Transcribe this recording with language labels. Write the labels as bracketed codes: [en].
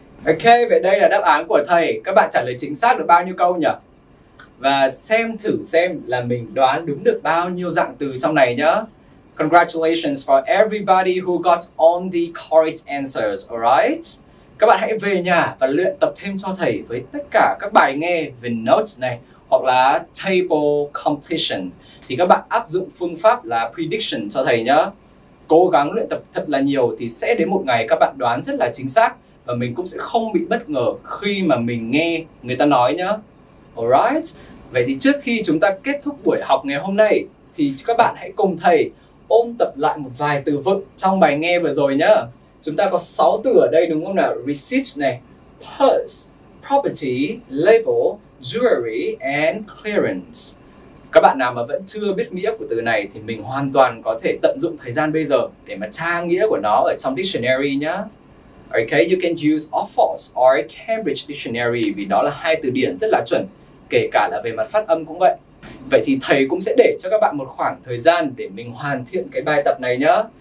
[vi] Okay, vậy đây là đáp án của thầy. Các bạn trả lời chính xác được bao nhiêu câu nhỉ? Và xem thử xem là mình đoán đúng được bao nhiêu dạng từ trong này nhá. [en] Congratulations for everybody who got all the correct answers, alright? [vi] Các bạn hãy về nhà và luyện tập thêm cho thầy với tất cả các bài nghe về notes này hoặc là table completion. Thì các bạn áp dụng phương pháp là prediction cho thầy nhá. Cố gắng luyện tập thật là nhiều thì sẽ đến một ngày các bạn đoán rất là chính xác và mình cũng sẽ không bị bất ngờ khi mà mình nghe người ta nói nhá. [en] Alright, [vi] vậy thì trước khi chúng ta kết thúc buổi học ngày hôm nay thì các bạn hãy cùng thầy ôn tập lại một vài từ vựng trong bài nghe vừa rồi nhá. Chúng ta có 6 từ ở đây đúng không nào? [en] Receipt này, purse, property, label, jewelry and clearance. [vi] Các bạn nào mà vẫn chưa biết nghĩa của từ này thì mình hoàn toàn có thể tận dụng thời gian bây giờ để mà tra nghĩa của nó ở trong dictionary nhá. [en] Okay, you can use Oxford or Cambridge Dictionary [vi] vì đó là hai từ điển rất là chuẩn, kể cả là về mặt phát âm cũng vậy. Vậy thì thầy cũng sẽ để cho các bạn một khoảng thời gian để mình hoàn thiện cái bài tập này nhá.